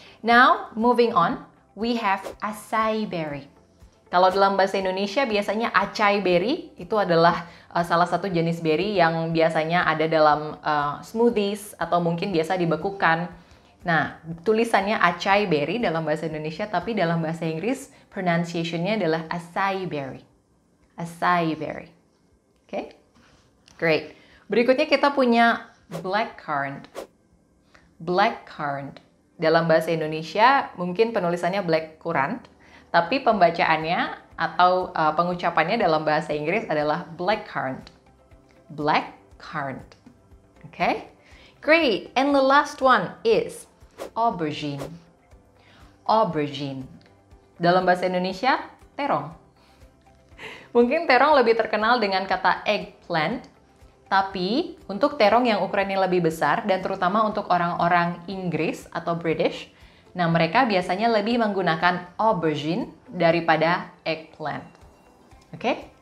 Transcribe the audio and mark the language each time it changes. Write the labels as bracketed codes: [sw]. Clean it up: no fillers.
[en] Now, moving on, we have acai berry. [id] Kalau dalam bahasa Indonesia, biasanya acai berry itu adalah salah satu jenis berry yang biasanya ada dalam smoothies atau mungkin biasa dibekukan. Nah, tulisannya acai berry dalam bahasa Indonesia, tapi dalam bahasa Inggris, pronunciation-nya adalah acai berry. [en] Acai berry. Okay? Great. [id] Berikutnya kita punya blackcurrant. Blackcurrant. Dalam bahasa Indonesia mungkin penulisannya black currant, tapi pembacaannya atau pengucapannya dalam bahasa Inggris adalah black currant. [en] Black currant. Okay? Great. And the last one is aubergine. Aubergine. [id] Dalam bahasa Indonesia terong. Mungkin terong lebih terkenal dengan kata eggplant. Tapi untuk terong yang ukurannya lebih besar dan terutama untuk orang-orang Inggris atau British, nah mereka biasanya lebih menggunakan aubergine daripada eggplant. Okay?